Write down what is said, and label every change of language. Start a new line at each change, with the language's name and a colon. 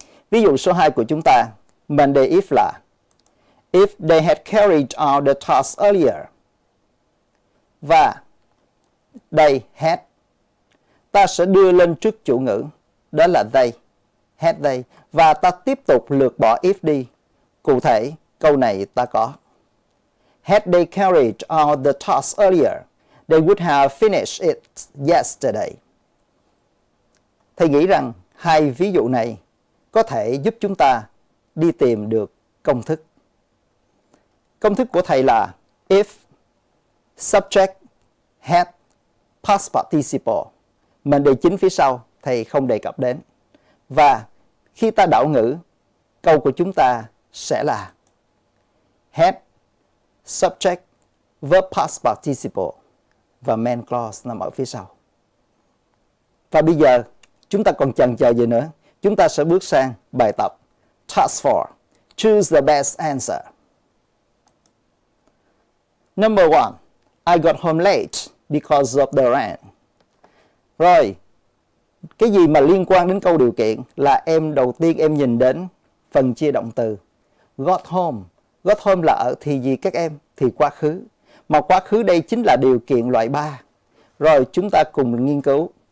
Vietnamese: Ví dụ số 2 của chúng ta, mệnh đề if là
English: if they had carried out the task earlier.
Vietnamese: Và they had, ta sẽ đưa lên trước chủ ngữ, đó là they, had they. Và ta tiếp tục lược bỏ if đi. Cụ thể, câu này ta có.
English: Had they carried out the task earlier, they would have finished it yesterday.
Vietnamese: Thầy nghĩ rằng hai ví dụ này có thể giúp chúng ta đi tìm được công thức. Công thức của thầy là
English: if subject had past participle,
Vietnamese: mệnh đề chính phía sau thầy không đề cập đến. Và khi ta đảo ngữ, câu của chúng ta sẽ là
English: had subject verb past participle
Vietnamese: và
English: main clause
Vietnamese: nằm ở phía sau. Và bây giờ chúng ta còn chần chờ gì nữa? Chúng ta sẽ bước sang bài tập task 4.
English: Choose the best answer. Number 1. I got home late because of the rain.
Vietnamese: Rồi. Cái gì mà liên quan đến câu điều kiện là em đầu tiên em nhìn đến phần chia động từ.
English: got home. Got home
Vietnamese: là ở thì gì các em? Thì quá khứ. Mà quá khứ đây chính là điều kiện loại 3. Rồi chúng ta cùng nghiên cứu.